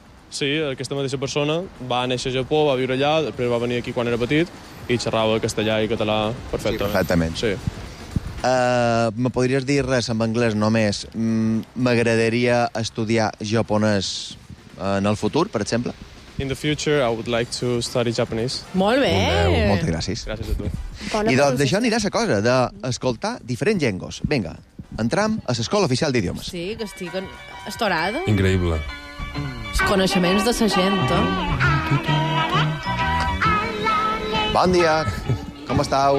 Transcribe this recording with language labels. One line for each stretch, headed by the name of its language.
Catalan: Sí, aquesta mateixa persona va néixer a Japó, va viure allà, després va venir aquí quan era petit i xerrava castellà i català perfectament. Sí, perfectament. Sí. Me podries dir res en anglès només? M'agradaria estudiar japonès en el futur, per exemple?
English: In the future, I would like to study Japanese.
Catalan: Molt bé! Moltes gràcies. Gràcies a tu. I doncs d'això anirà la cosa, d'escoltar diferents llengües. Vinga, entram a l'escola oficial d'idiomes. Sí, que estic estorada. Increïble. Els coneixements de sa gent, eh? Bon dia! Com estàu?